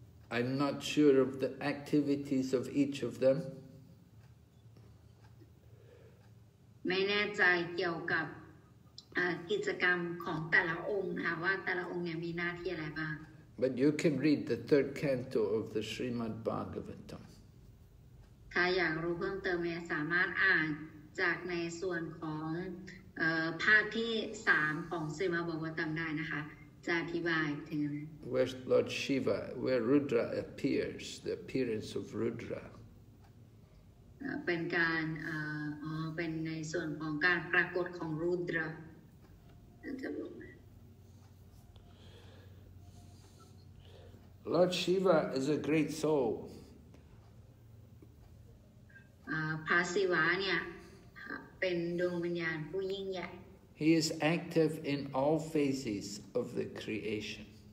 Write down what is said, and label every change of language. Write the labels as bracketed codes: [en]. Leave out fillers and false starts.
[en] I'm not sure of the activities of each of them. [th] ไม่แน่ใจเกี่ยวกับกิจกรรมของแต่ละองค์นะคะว่าแต่ละองค์เนี่ยมีหน้าที่อะไรบ้าง [en] But you can read the third canto of the Srimad Bhagavatam. [th] ถ้าอยากรู้เพิ่มเติมเนี่ยสามารถอ่านจากในส่วนของภาคที่3ของศรีมหาบพิตรได้นะคะจะอธิบายถึง [en] Where Lord Shiva where Rudra appears the appearance of Rudra [th] เป็นการเป็นในส่วนของการปรากฏของรุดรา [en] Lord Shiva is a great soul [th] พระศิวะเนี่ยเป็นดวงวิญญาณผู้ยิ่งใหญ่ [en] He is active in all phases of the creation